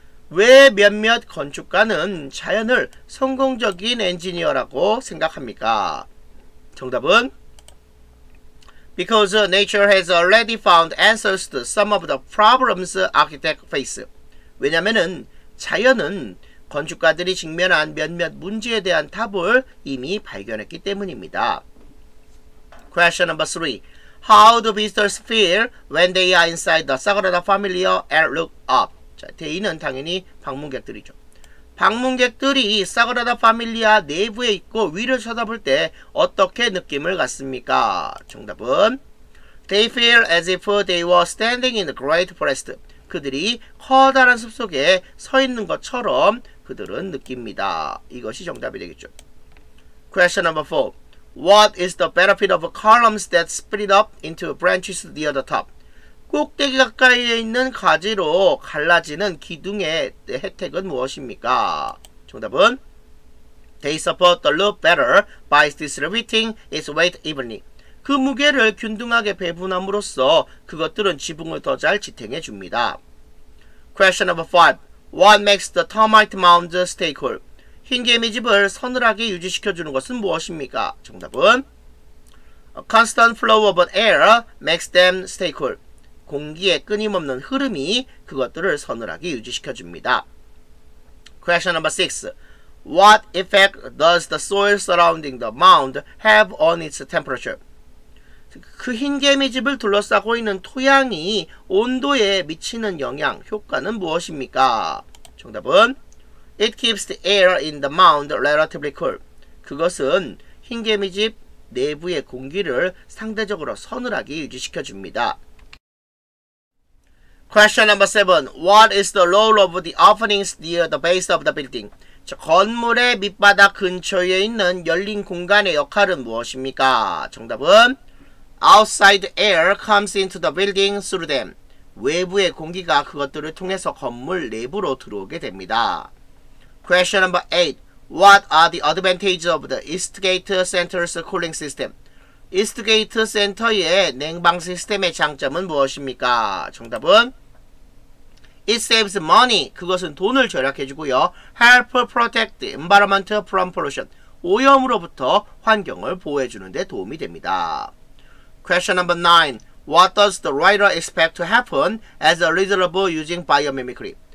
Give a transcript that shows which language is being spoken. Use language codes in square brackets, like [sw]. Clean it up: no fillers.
[ko] 왜 몇몇 건축가는 자연을 성공적인 엔지니어라고 생각합니까? 정답은 [en] Because nature has already found answers to some of the problems architects face. [ko] 왜냐면은 자연은 건축가들이 직면한 몇몇 문제에 대한 답을 이미 발견했기 때문입니다. [en] Question number 3. How do visitors feel when they are inside the Sagrada Familia and look up? [ko] 자, they는 당연히 방문객들이죠. 방문객들이 Sagrada Familia 내부에 있고 위를 쳐다볼 때 어떻게 느낌을 갖습니까? 정답은 [en] They feel as if they were standing in the great forest. [ko] 그들이 커다란 숲 속에 서 있는 것처럼 그들은 느낍니다. 이것이 정답이 되겠죠. [en] Question number 4. What is the benefit of columns that split up into branches near the top? [ko] 꼭대기 가까이에 있는 가지로 갈라지는 기둥의 혜택은 무엇입니까? 정답은 [en] They support the loop better by distributing its weight evenly. [ko] 그 무게를 균등하게 배분함으로써 그것들은 지붕을 더 잘 지탱해 줍니다. [en] Question number 5. What makes the termite mound stay cool? [ko] 흰개미 집을 서늘하게 유지시켜주는 것은 무엇입니까? 정답은 [en] A constant flow of air makes them stay cool. [ko] 공기의 끊임없는 흐름이 그것들을 서늘하게 유지시켜줍니다. [en] Question number 6. What effect does the soil surrounding the mound have on its temperature? [ko] 그 흰개미 집을 둘러싸고 있는 토양이 온도에 미치는 영향, 효과는 무엇입니까? 정답은 [en] It keeps the air in the mound relatively cool. [ko] 그것은 흰개미 집 내부의 공기를 상대적으로 서늘하게 유지시켜줍니다. [en] Question number 7. What is the role of the openings near the base of the building? [ko] 자, 건물의 밑바닥 근처에 있는 열린 공간의 역할은 무엇입니까? 정답은 [en] Outside air comes into the building through them. [ko] 외부의 공기가 그것들을 통해서 건물 내부로 들어오게 됩니다. [en] Question number 8. What are the advantages of the East Gate Center's cooling system? [ko] East Gate Center의 냉방 시스템의 장점은 무엇입니까? 정답은 [en] It saves money. [ko] 그것은 돈을 절약해주고요. [en] Help protect the environment from pollution. [ko] 오염으로부터 환경을 보호해주는 데 도움이 됩니다. [en] Question number 9. What does the writer expect to happen as a result of using biomimicry?